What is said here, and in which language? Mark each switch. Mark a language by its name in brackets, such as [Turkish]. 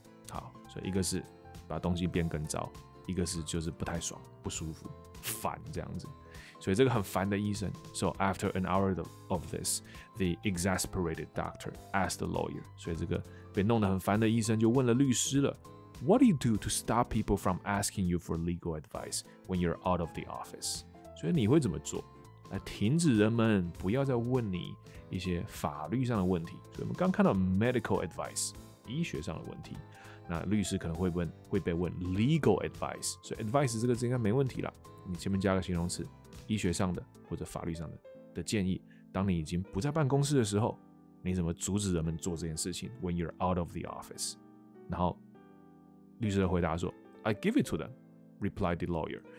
[Chinese] 好，所以一个是把东西变更糟，一个是就是不太爽、不舒服、烦这样子。所以这个很烦的医生 [English] ，so after an hour of this, the exasperated doctor asked the lawyer. [Chinese] 所以这个被弄得很烦的医生就问了律师了 [English] ，What do you do to stop people from asking you for legal advice when you're out of the office? [Chinese] 所以你会怎么做来停止人们不要再问你一些法律上的问题？所以我们刚看到 medical advice 医学上的问题，那律师可能会被问 legal advice。所以 advice 这个字应该没问题了，你前面加个形容词。医学上的或者法律上的建议，当你已经不在办公室的时候，你怎么阻止人们做这件事情 ？ [English] When you're out of the office， [Chinese] 然后律师的回答说 ： [English] “I give it to them。” replied the lawyer。